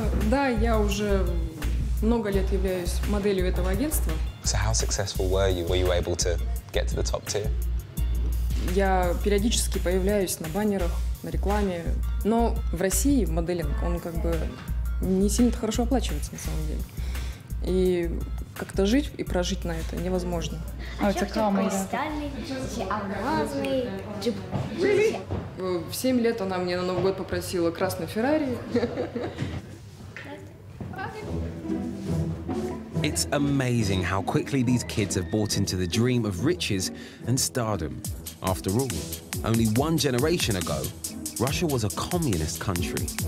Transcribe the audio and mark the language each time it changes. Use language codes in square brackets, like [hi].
[ru] Да, я уже много лет являюсь моделью этого агентства. [en] So how successful were you? Were you able to get to the top tier? [ru] Я периодически появляюсь на баннерах, на рекламе, но в России моделинг, он как бы не сильно хорошо оплачивается на самом деле. И как-то жить и прожить на это невозможно. А это камера. Кристальный, В 7 лет она мне на Новый год попросила красный Феррари. [en] It's amazing how quickly these kids have bought into the dream of riches and stardom. After all, only one generation ago, Russia was a communist country.